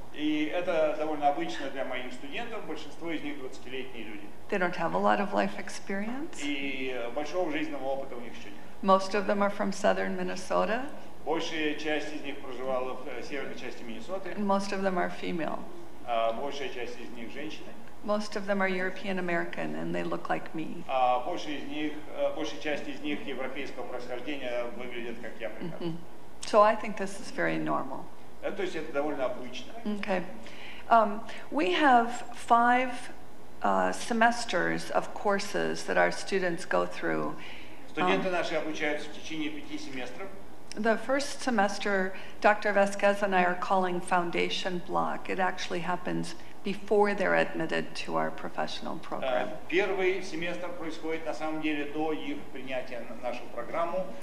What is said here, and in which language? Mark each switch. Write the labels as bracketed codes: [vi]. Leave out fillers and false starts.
[ru] И это довольно обычно для моих студентов, большинство из них 20-летние люди. [en] They don't have a lot of life experience. [ru] И большого жизненного опыта у них еще нет. [en] Most of them are from southern Minnesota. [ru] Большая часть из них проживала в северной части Миннесоты. [en] And most of them are female. [ru] Большая часть из них женщины. [en] Most of them are European American and they look like me. [ru] Большая часть из них европейского происхождения, выглядят как я. [en] So I think this is very normal. [ru] То есть это довольно обычно. [en] Okay. We have five semesters of courses that our students go through. [ru] Студенты наши обучаются в течение пяти семестров. [en] The first semester, Dr. Vasquez and I are calling foundation block. It actually happens before they're admitted to our professional program. [ru] Первый семестр происходит на самом деле до их принятия на нашу программу.